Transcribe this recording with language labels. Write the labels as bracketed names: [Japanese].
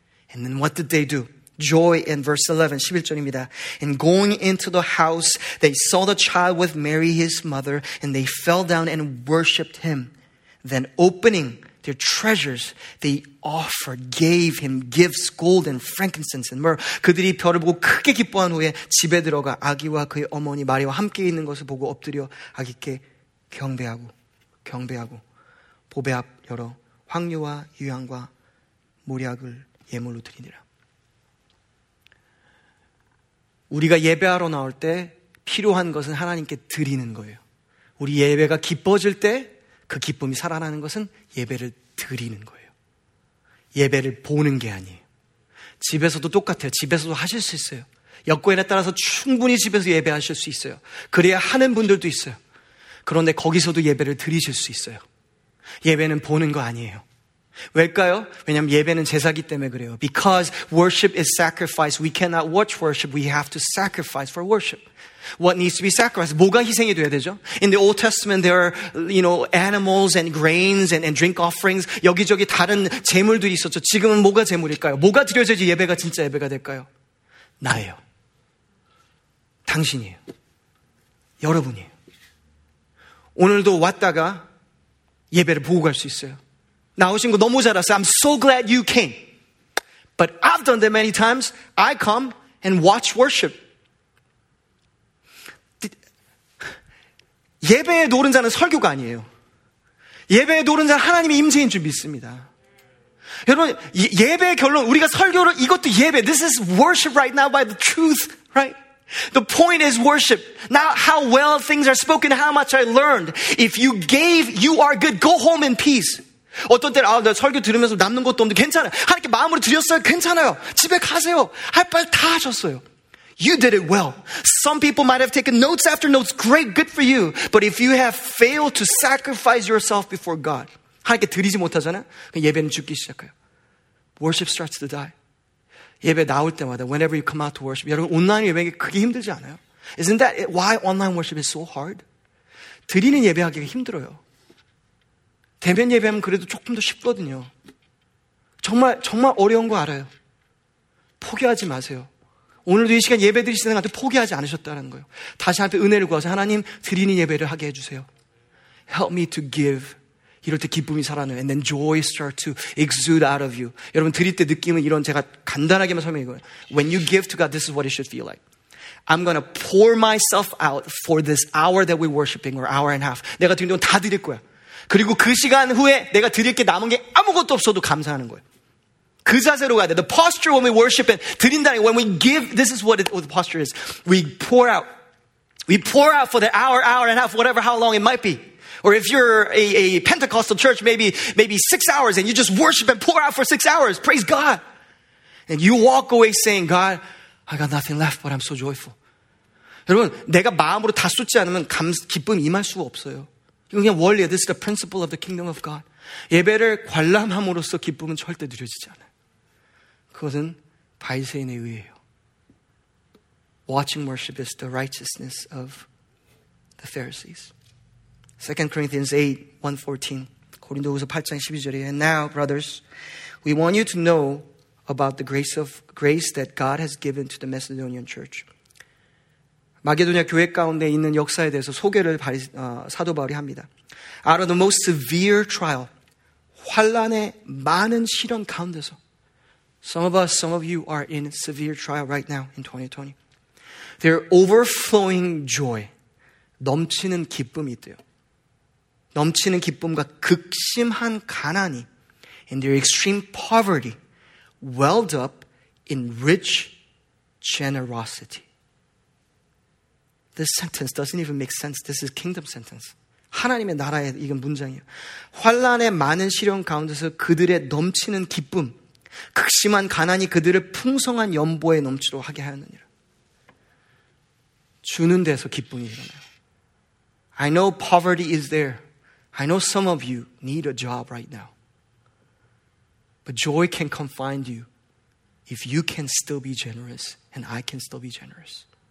[English] And then what did they do? Joy in verse 11, [Korean] 11절입니다. [English] And going into the house, they saw the child with Mary, his mother, and they fell down and worshipped him. Then opening their treasures, they offered, gave him gifts, gold and frankincense and myrrh. [Korean] 그들이 별을 보고 크게 기뻐한 후에 집에 들어가 아기와 그의 어머니 마리와 함께 있는 것을 보고 엎드려 아기께 경배하고 보배 앞 열어 황유와 유향과 몰약을 예물로 드리니라. 우리가 예배하러 나올 때 필요한 것은 하나님께 드리는 거예요. 우리 예배가 기뻐질 때 그 기쁨이 살아나는 것은 예배를 드리는 거예요. 예배를 보는 게 아니에요. 집에서도 똑같아요. 집에서도 하실 수 있어요. 여건에 따라서 충분히 집에서 예배하실 수 있어요. 그래야 하는 분들도 있어요. 그런데 거기서도 예배를 드리실 수 있어요. 예배는 보는 거 아니에요. 왜일까요? 왜냐하면 예배는 제사기 때문에 그래요. [English] Because worship is sacrifice. We cannot watch worship. We have to sacrifice for worship. What needs to be sacrificed? [Korean] 뭐가 희생이 돼야 되죠? [English] In the Old Testament, there are, you know, animals and grains and drink offerings. [Korean] 여기저기 다른 재물도 있었죠. 지금은 뭐가 재물일까요? 뭐가 드려져야지 예배가 진짜 예배가 될까요? 나예요. 당신이에요. 여러분이에요. 오늘도 왔다가 예배를 보고 갈 수 있어요. 나오신 거 너무 잘했어요. [English] I'm so glad you came. But I've done that many times. I come and watch worship. [Korean] 예배의 노른자는 설교가 아니에요. 예배의 노른자는 하나님의 임재인 줄 믿습니다. 여러분, 예배의 결론, 우리가 설교를, 이것도 예배. [English] This is worship right now by the truth, right? The point is worship. Not how well things are spoken, how much I learned. If you gave, you are good. Go home in peace. [Korean] 어떤 때는 아, 나 설교 들으면서 남는 것도 없는데 괜찮아요. 하나님께 마음으로 드렸어요. 괜찮아요. 집에 가세요. 할 바를 다 하셨어요. [English] You did it well. Some people might have taken notes after notes. Great, good for you. But if you have failed to sacrifice yourself before God, [Korean] 하나님께 드리지 못하잖아요? 그럼 예배는 죽기 시작해요. [English] Worship starts to die. [Korean] 예배 나올 때마다, [English] whenever you come out to worship, [Korean] 여러분 온라인 예배가 그게 힘들지 않아요? [English] Isn't that why online worship is so hard? [Korean] 드리는 예배하기가 힘들어요. 대면 예배하면 그래도 조금 더 쉽거든요. 정말 정말 어려운 거 알아요. 포기하지 마세요. 오늘도 이 시간 예배 드리시는 것한테 포기하지 않으셨다는 거예요. 다시 한번 은혜를 구하세요. 하나님 드리는 예배를 하게 해주세요. [English] Help me to give. [Korean] 이럴 때 기쁨이 살아나요. [English] And then joy starts to exude out of you. [Korean] 여러분 드릴 때 느낌은 이런 제가 간단하게만 설명해요. [English] When you give to God, this is what it should feel like. I'm going to pour myself out for this hour that we're worshiping or hour and a half. [Korean] 내가 드린 돈 다 드릴 거야. 그리고 그 시간 후에 내가 드릴 게 남은 게 아무것도 없어도 감사하는 거예요. 그 자세로 가야 돼. [English] The posture when we worship and [Korean] 드린다는 게, [English] when we give, this is what, it, what the posture is. We pour out. We pour out for the hour, hour and a half, whatever, how long it might be. Or if you're a Pentecostal church, maybe 6 hours and you just worship and pour out for 6 hours. Praise God. And you walk away saying, God, I got nothing left, but I'm so joyful. [Korean] 여러분, 내가 마음으로 다 쏟지 않으면 기쁨이 임할 수가 없어요. 이건 그냥 원리예요. [English] This is the principle of the kingdom of God. [Korean] 예배를 관람함으로써 기쁨은 절대 느려지지 않아요. 그것은 바리새인의 의예요. [English] Watching worship is the righteousness of the Pharisees. 2 Corinthians 8, 1-14. [Korean] 고린도후서 8장 12절이에요. [English] And now, brothers, we want you to know about the grace of grace that God has given to the Macedonian church. [Korean] 마게도냐 교회 가운데 있는 역사에 대해서 소개를 사도 바울이 합니다. [English] Out of the most severe trial, [Korean] 환란의 많은 시련 가운데서 [English] some of us, some of you are in severe trial right now in 2020. Their overflowing joy, [Korean] 넘치는 기쁨이 있대요. 넘치는 기쁨과 극심한 가난이 [English] in their extreme poverty welled up in rich generosity. This sentence doesn't even make sense. This is kingdom sentence. [Korean] 하나님의 나라의 이건 문장이에요. 환란의 많은 시련 가운데서 그들의 넘치는 기쁨, 극심한 가난이 그들을 풍성한 연보에 넘치도록 하게 하였느니라. 주는 데서 기쁨이 일어나요. [English] I know poverty is there. I know some of you need a job right now. But joy can come find you if you can still be generous and I can still be generous.